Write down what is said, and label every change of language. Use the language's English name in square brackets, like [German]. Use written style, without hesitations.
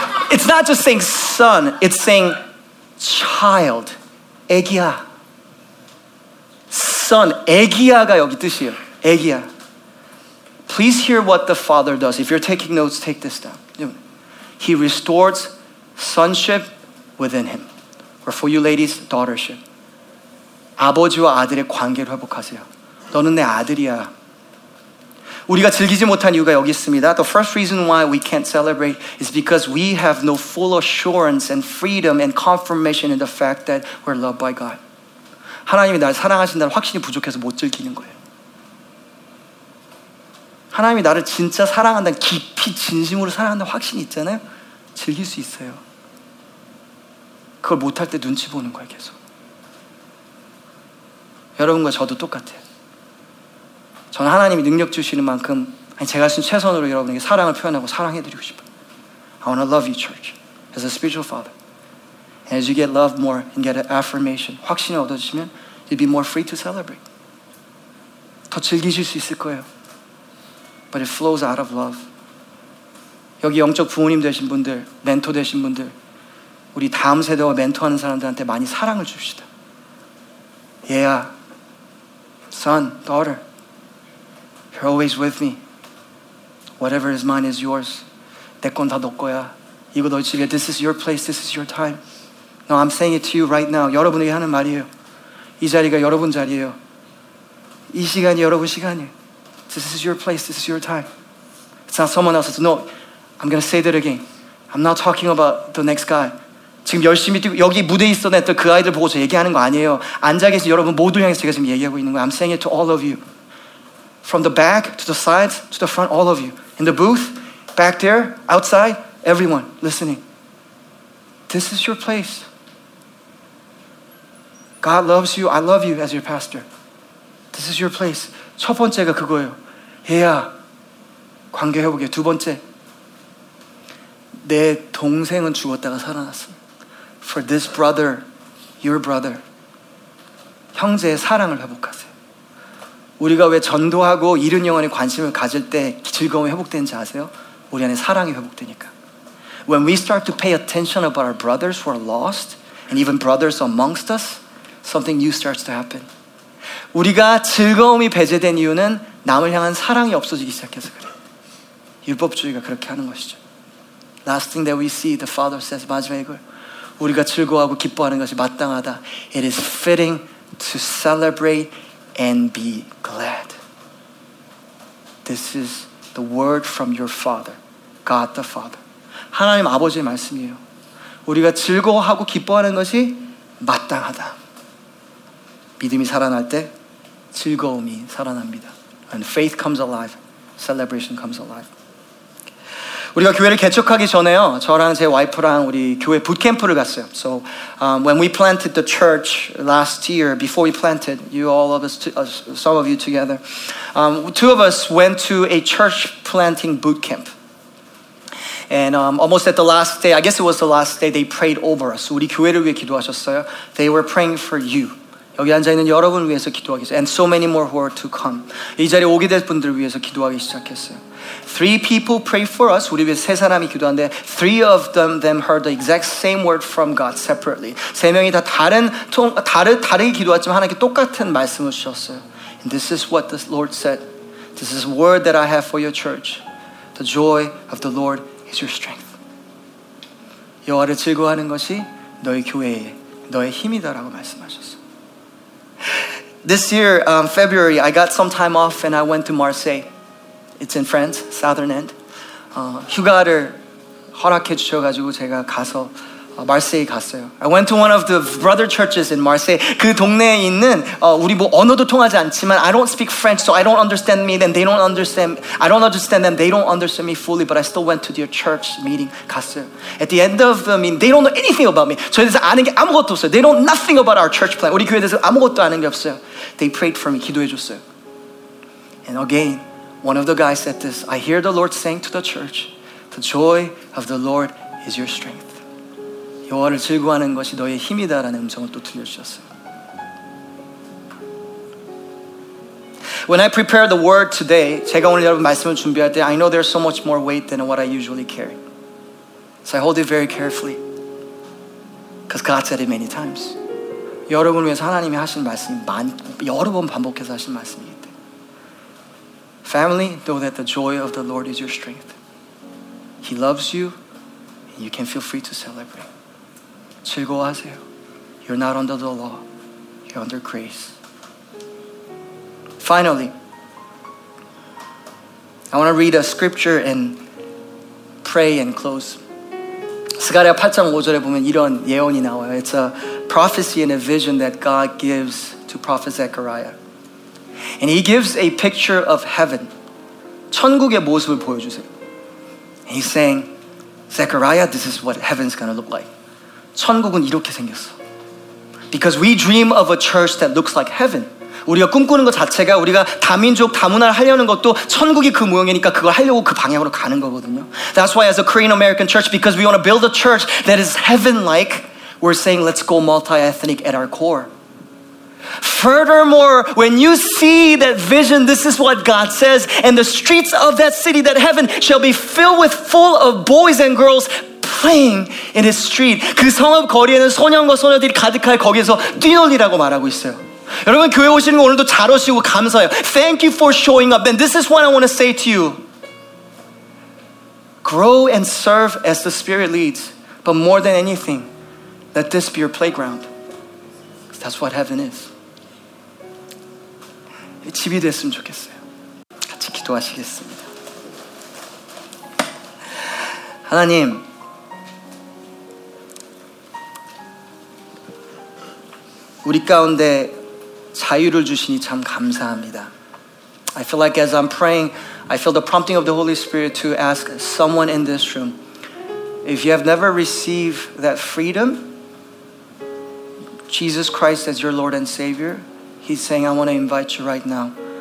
[English] It's not just saying son, it's saying child, [Korean] 애기야. [English] Son, [Korean] 애기야가 여기 뜻이에요. 애기야. [English] Please hear what the father does. If you're taking notes, take this down. He restores sonship within him. Or for you ladies, daughtership. [Korean] 아버지와 아들의 관계를 회복하세요. 너는 내 아들이야. 우리가 즐기지 못한 이유가 여기 있습니다. [English] The first reason why we can't celebrate is because we have no full assurance and freedom and confirmation in the fact that we're loved by God. [Korean] 하나님이 날 사랑하신다는 확신이 부족해서 못 즐기는 거예요. 하나님이 나를 진짜 사랑한다는 깊이 진심으로 사랑한다는 확신이 있잖아요. 즐길 수 있어요. 그걸 못할 때 눈치 보는 거예요, 계속. 여러분과 저도 똑같아요. 저는 하나님이 능력 주시는 만큼 제가 할 수 있는 최선으로 여러분에게 사랑을 표현하고 사랑해드리고 싶어요. [English] I want to love you, church, as a spiritual father. And as you get love more and get an affirmation, [Korean] 확신을 얻어주시면 [English] you'll be more free to celebrate. [Korean] 더 즐기실 수 있을 거예요. [English] But it flows out of love. [Korean] 여기 영적 부모님 되신 분들, 멘토 되신 분들, 우리 다음 세대와 멘토하는 사람들한테 많이 사랑을 줍시다. 얘야, [English] son, daughter, you're always with me. Whatever is mine is yours. [Korean] 내 건 다 너 거야. 이거 너 집이야. [English] This is your place. This is your time. No, I'm saying it to you right now. [Korean] 여러분에게 하는 말이에요. 이 자리가 여러분 자리예요. 이 시간이 여러분 시간이에요. [English] This is your place. This is your time. It's not someone else's. No, I'm going to say that again. I'm not talking about the next guy. [Korean] 지금 열심히 뛰고 여기 무대에 있어 냈던 그 아이들 보고서 얘기하는 거 아니에요. 앉아계신 여러분 모두 향해서 제가 지금 얘기하고 있는 거예요. [English] I'm saying it to all of you. From the back, to the sides, to the front, all of you. In the booth, back there, outside, everyone listening. This is your place. God loves you. I love you as your pastor. This is your place. [Korean] 첫 번째가 그거예요. 얘야, 관계 해보게. 두 번째, 내 동생은 죽었다가 살아났어. [English] For this brother, your brother, [Korean] 형제의 사랑을 회복하세요. 우리가 왜 전도하고 이른 영혼에 관심을 가질 때 즐거움이 회복되는지 아세요? 우리 안에 사랑이 회복되니까. [English] When we start to pay attention about our brothers who are lost and even brothers amongst us, something new starts to happen. [Korean] 우리가 즐거움이 배제된 이유는 남을 향한 사랑이 없어지기 시작해서 그래요. 율법주의가 그렇게 하는 것이죠. [English] Last thing that we see, the father says, [Korean] 마지막 이걸 우리가 즐거워하고 기뻐하는 것이 마땅하다. [English] It is fitting to celebrate and be glad. This is the word from your father, God the Father. [Korean] 하나님 아버지의 말씀이에요. 우리가 즐거워하고 기뻐하는 것이 마땅하다. 믿음이 살아날 때 즐거움이 살아납니다. [English] And faith comes alive, celebration comes alive. [Korean] 우리가 교회를 개척하기 전에요, 저랑 제 와이프랑 우리 교회 부트캠프를 갔어요. [English] So when we planted the church last year, before we planted, you all of us, some of you together, two of us went to a church planting bootcamp. And almost at the last day, I guess it was the last day, they prayed over us. [Korean] 우리 교회를 위해 기도하셨어요. [English] They were praying for you. [Korean] 여기 앉아있는 여러분을 위해서 기도하겠어요. [English] And so many more who are to come. [Korean] 이 자리에 오게 될 분들을 위해서 기도하기 시작했어요. [English] Three people pray for us. [Korean] 우리 위해 세 사람이 기도한데 [English] three of them heard the exact same word from God separately. [Korean] 세 명이 다 다르게 기도했지만 하나님께 똑같은 말씀을 주셨어요. [English] And this is what the Lord said. This is word that I have for your church. The joy of the Lord is your strength. [Korean] 여호와를 즐거워하는 것이 너희 교회에 너의 힘이다라고 말씀하셨어요. [English] This year, February, I got some time off and I went to Marseille. It's in France, southern end. [Korean] 휴가를 허락해 주셔가지고 제가 가서 마르세이 갔어요. [English] I went to one of the brother churches in Marseille. [Korean] 그 동네에 있는 우리 뭐 언어도 통하지 않지만 [English] I don't speak French, so I don't understand me, then they don't understand. I don't understand them, they don't understand me fully, but I still went to their church meeting. [Korean] 갔어요. [English] At the end of the meeting, they don't know anything about me. [Korean] 저에 대해서 아는 게 아무것도 없어요. [English] They don't know nothing about our church plan. [Korean] 우리 교회에 대해서 아무것도 아는 게 없어요. [English] They prayed for me, [Korean] 기도해 줬어요. [English] And again, one of the guys said this, I hear the Lord saying to the church, the joy of the Lord is your strength. [Korean] 여호와를 즐거워하는 것이 너의 힘이다라는 음성을 또 들려주셨어요. [English] When I prepare the word today, [Korean] 제가 오늘 여러분 말씀을 준비할 때, [English] I know there's so much more weight than what I usually carry. So I hold it very carefully. Because God said it many times. [Korean] 여러분을 위해서 하나님이 하신 말씀이 여러 번 반복해서 하신 말씀이에요. [English] Family, know that the joy of the Lord is your strength. He loves you, and you can feel free to celebrate. [Korean] 즐거워하세요. [English] You're not under the law. You're under grace. Finally, I want to read a scripture and pray and close. [Korean] 스가랴 8장 5절에 보면 이런 예언이 나와요. [English] It's a prophecy and a vision that God gives to prophet Zechariah. And he gives a picture of heaven. [Korean] 천국의 모습을 보여주세요. [English] And he's saying, Zechariah, this is what heaven's going to look like. [Korean] 천국은 이렇게 생겼어. [English] Because we dream of a church that looks like heaven. [Korean] 우리가 꿈꾸는 것 자체가 우리가 다민족, 다문화를 하려는 것도 천국이 그 모형이니까 그걸 하려고 그 방향으로 가는 거거든요. [English] That's why as a Korean American church, because we want to build a church that is heaven-like, we're saying let's go multi-ethnic at our core. Furthermore, when you see that vision, this is what God says, and the streets of that city, that heaven, shall be filled with full of boys and girls playing in his street. [Korean] 그 성읍 거리에는 소년과 소녀들이 가득할 거기에서 뛰놀리라고 말하고 있어요. 여러분 교회 오시는 거 오늘도 잘 오시고 감사해요. [English] Thank you for showing up. And this is what I want to say to you. Grow and serve as the Spirit leads. But more than anything, let this be your playground. That's what heaven is. [Korean] 집이 됐으면 좋겠어요. 같이 기도하시겠습니다. 하나님, 우리 가운데 자유를 주시니 참 감사합니다. [English] I feel like as I'm praying, I feel the prompting of the Holy Spirit to ask someone in this room, if you have never received that freedom, Jesus Christ as your Lord and Savior, He's saying, I want to invite you right now.